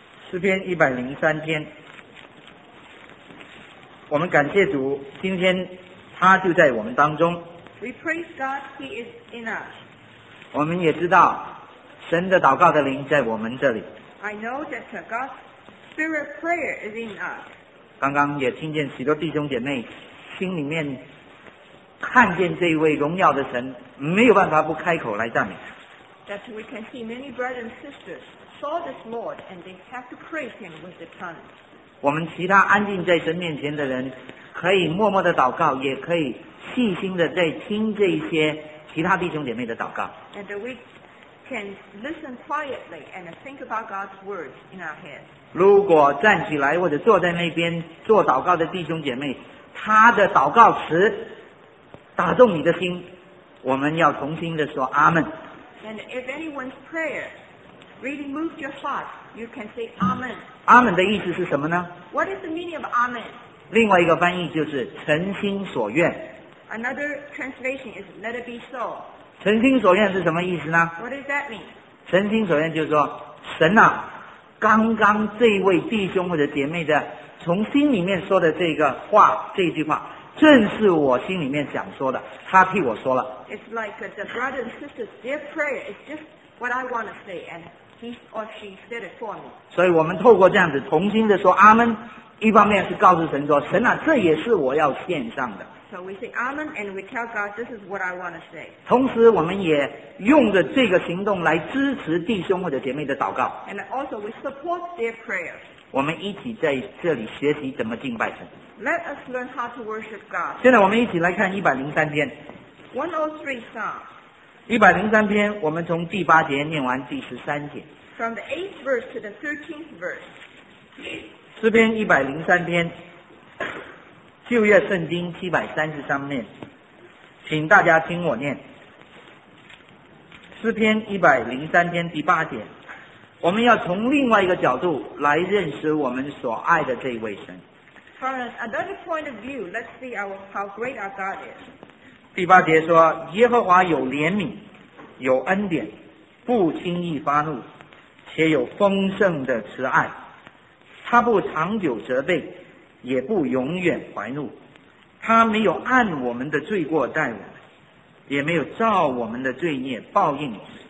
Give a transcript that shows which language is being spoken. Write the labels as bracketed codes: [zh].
[zh] 诗篇一百零三篇。我们感谢主，今天他就在我们当中。 [en] We praise God, He is in us. [zh] 我们也知道，神的祷告的灵在我们这里。 [en] I know that God's spirit prayer is in us. [zh] 刚刚也听见许多弟兄姐妹心里面看见这位荣耀的神，没有办法不开口来赞美。 [en] That we can see many brothers and sisters saw this Lord and they have to praise Him with the tongue. [zh] 我们其他安静在神面前的人可以默默的祷告，也可以细心的在听这些其他弟兄姐妹的祷告。 [en] And we can listen quietly and think about God's words in our heads. [zh] 如果站起来或者坐在那边做祷告的弟兄姐妹，他的祷告词打动你的心，我们要重新的说阿们。 [en] And if anyone's prayer really moved your heart, you can say amen. [zh] 阿们的意思是什么呢？ [en] What is the meaning of amen? [zh] 另外一个翻译就是诚心所愿。 [en] Another translation is let it be so. [zh] 诚心所愿是什么意思呢？ [en] What does that mean? [zh] 诚心所愿就是说，神啊，刚刚这位弟兄或者姐妹的从心里面说的这个话，这句话正是我心里面想说的，他替我说了。 [en] It's like the brother and sister's dear prayer is just what I want to say andHe or she said it for me. [zh] 所以我们透过这样子重新的说阿们，一方面是告诉神说，神啊，这也是我要献上的。 [en] So we say amen and we tell God this is what I want to say. [zh] 同时我们也用着这个行动来支持弟兄或者姐妹的祷告。 [en] And also we support their prayers. [zh] 我们一起在这里学习怎么敬拜神。 [en] Let us learn how to worship God. [zh] 现在我们一起来看一百零三篇。 [en] 103 Psalm. [zh] 一百零三篇，我们从第八节念完第十三节。 [en] From the eighth verse to the thirteenth verse. [zh] 诗篇一百零三篇，旧约圣经七百三十三面，请大家听我念。诗篇一百零三篇第八节，我们要从另外一个角度来认识我们所爱的这位神。 [en] From another point of view, let's see how great our God is. [zh] 第八节说，耶和华有怜悯，有恩典，不轻易发怒，且有丰盛的慈爱，他不长久责备，也不永远怀怒，他没有按我们的罪过待我们，也没有照我们的罪孽报应我们。